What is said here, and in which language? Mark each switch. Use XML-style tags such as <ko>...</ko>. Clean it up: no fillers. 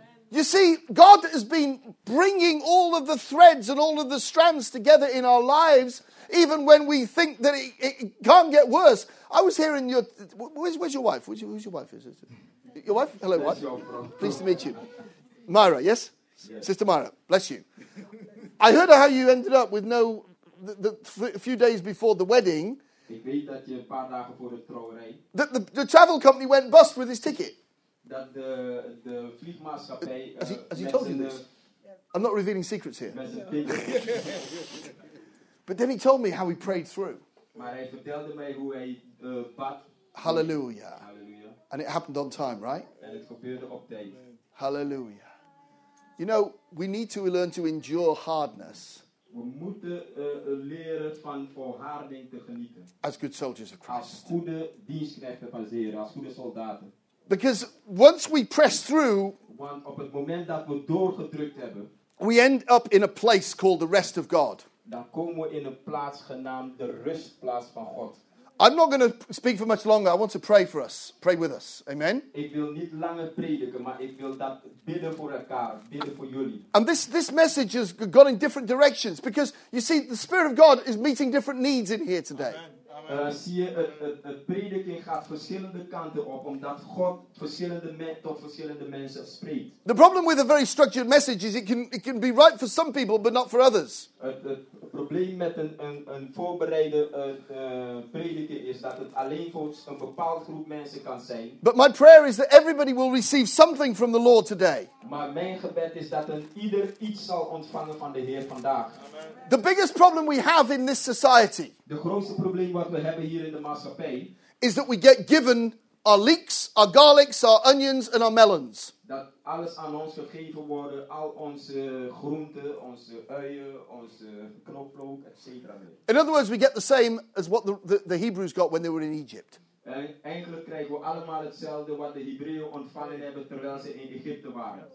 <en>You see, God has been bringing all of the threads and all of the strands together in our lives, even when we think that it can't get worse. I was hearing your... Where's your wife? Who's your wife? Your wife? Hello, wife. Pleased to meet you. Myra, yes? Sister Myra, bless you. I heard how you ended up with no... A few days before the wedding...</en> <nl>Ik weet dat je een paar dagen voor de trouwerij...</nl> <en>The travel company went bust with his ticket.</en> <nl>Dat de vliegmaatschappij...</nl> <en>As he told you this? I'm not revealing secrets here. But then he told me how he prayed through.</en> <nl>Maar hij vertelde mij hoe hij bad. Hallelujah. Hallelujah.</nl> <en>And it happened on time, right?</en> <nl>En het gebeurde op tijd. Hallelujah.</nl> <en>You know, we need to learn to endure hardness.</en> <nl>We moeten leren van volharding te genieten.</nl> <en>As good soldiers of Christ.</en> <nl>Als goede dienstknechten van Zeer, als goede soldaten.</nl> <en>Because once we press through,</en> <nl>want op het moment dat we doorgedrukt hebben,</nl> <en>we end up in a place called the rest of God.</en> <nl>Dan komen we in een plaats genaamd de rustplaats van God.</nl> <en>I'm not going to speak for much longer. I want to pray for us. Pray with us. Amen.</en> <nl>Ik wil niet langer prediken, maar ik wil dat bidden voor elkaar, bidden voor jullie.</nl> <en>And this message has gone in different directions because you see the Spirit of God is meeting different needs in here today. Amen. Amen.</en> <nl>Zie je, het prediken gaat verschillende kanten op omdat God tot verschillende mensen spreekt.</nl> <en>The problem with a very structured message is it can be right for some people but not for others.</en> <nl>Het probleem met een voorbereide prediken is dat het alleen voor een bepaald groep mensen kan zijn.</nl> <en>But my prayer is that everybody will receive something from the Lord today.</en> <nl>Maar mijn gebed is dat ieder iets zal ontvangen van de Heer vandaag. Amen.</nl> <en>The biggest problem we have in this society.</en> <nl>De grootste probleem wat we hebben hier in de maatschappij.</nl> <en>Is that we get given our leeks, our garlics, our onions and our melons.</en> <nl>Dat alles aan ons gegeven worden, al onze groenten, onze uien, onze knoflook, etc.</nl> <en>In other words, we get the same as what the Hebrews got when they were in Egypt.</en> <nl>En eigenlijk krijgen we allemaal hetzelfde wat de Hebreeën ontvangen hebben terwijl ze in Egypte waren.</nl>